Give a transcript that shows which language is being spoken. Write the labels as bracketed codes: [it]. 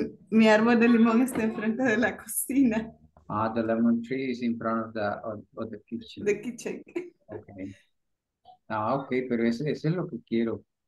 [es] Mi árbol de limón está enfrente de la cocina. [en] Ah, the lemon tree is in front of the kitchen. The kitchen. Okay. [es] Ah, okay, pero ese es lo que quiero.